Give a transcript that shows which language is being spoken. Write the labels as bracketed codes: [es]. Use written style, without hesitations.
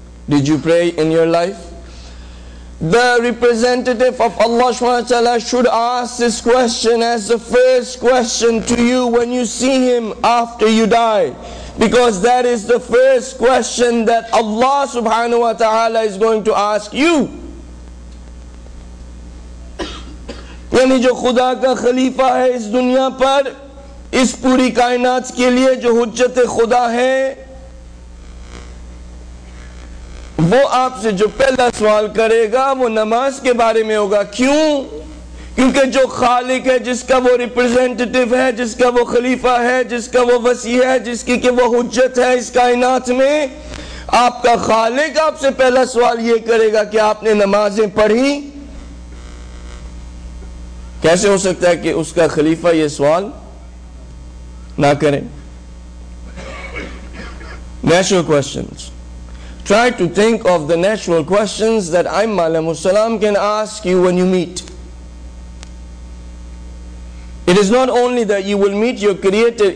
[en] Did you pray in your life? The representative of Allah subhanahu wa ta'ala should ask this question as the first question to you when you see him after you die. Because that is the first question that Allah subhanahu wa ta'ala is going to ask you. [ur] یعنی جو خدا کا خلیفہ ہے اس دنیا پر اس پوری کائنات کے لیے جو حجت خدا ہے وہ آپ سے جو پہلا سوال کرے گا وہ نماز کے بارے میں ہوگا کیوں کیونکہ جو خالق ہے جس کا وہ ریپریزنٹیٹیو ہے جس کا وہ خلیفہ ہے جس کا وہ وصی ہے جس کی کہ وہ حجت ہے اس کائنات میں آپ کا خالق آپ سے پہلا سوال یہ کرے گا کہ آپ نے نمازیں پڑھی کیسے ہو سکتا ہے کہ اس کا خلیفہ یہ سوال نہ کرے natural questions [en] Try to think of the natural questions that Aimma alayhi salam can ask you when you meet. It is not only that you will meet your Creator.